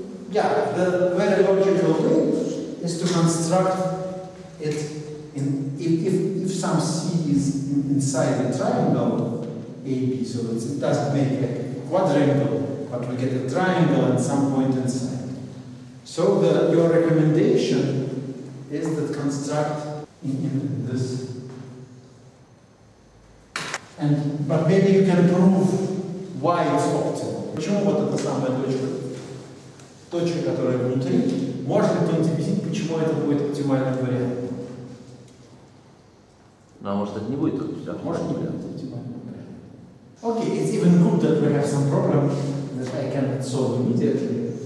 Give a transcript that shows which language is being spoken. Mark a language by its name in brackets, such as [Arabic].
[English] Yeah, the very logical thing is to construct it in if some C is inside the triangle AB, so it's, it doesn't make a quadrangle, but we get a triangle at some point inside. So the your recommendation is that construct in this. And but maybe you can prove why it's optimal. [Russian] Почему вот это самое точка? Точка, которая внутри, может ли кто-нибудь объяснить, почему это будет оптимальный вариант? Ну, а может, это не будет оптимальный вариант? Может, не будет оптимальный вариант. [English] Окей, it's even good that we have some problem that I cannot solve immediately.